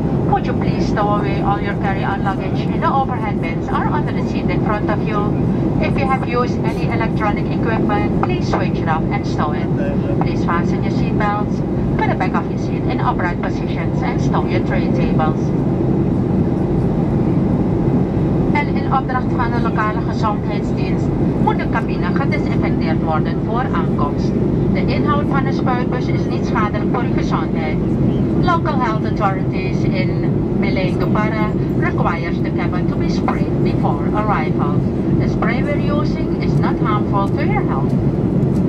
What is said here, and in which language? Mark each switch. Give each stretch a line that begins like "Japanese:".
English: Would you please stow away all your carry-on luggage in the overhead bins or under the seat in front of you? If you have used any electronic equipment, please switch it off and stow it. Please fasten your seat belts, put the back of your seat in upright positions and stow your tray tables.
Dutch: Opdracht van de lokale gezondheidsdienst moet de cabine gedesinfecteerd worden voor aankomst. De inhoud van de spuitbus is niet schadelijk voor uw gezondheid.
English: Local health authorities in Belindupara requires the cabin to be sprayed before arrival. The spray we're using is not harmful to your health.